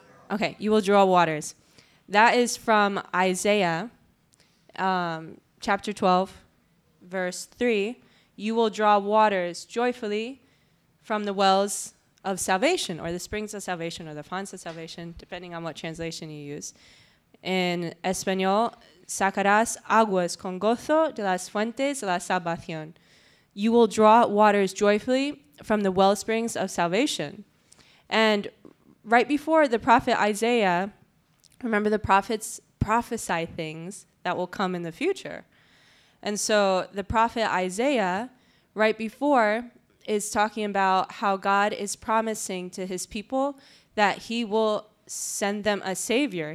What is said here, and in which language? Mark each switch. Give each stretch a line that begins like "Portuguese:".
English: Okay, you will draw waters. That is from Isaiah chapter 12, verse 3. You will draw waters joyfully from the wells of salvation, or the springs of salvation, or the fonts of salvation, depending on what translation you use.
Spanish: In Espanol, sacarás aguas con gozo de las fuentes de la salvación.
English: You will draw waters joyfully from the wellsprings of salvation. And right before the prophet Isaiah, remember the prophets prophesy things that will come in the future. And so the prophet Isaiah, right before, is talking about how God is promising to his people that he will send them a savior.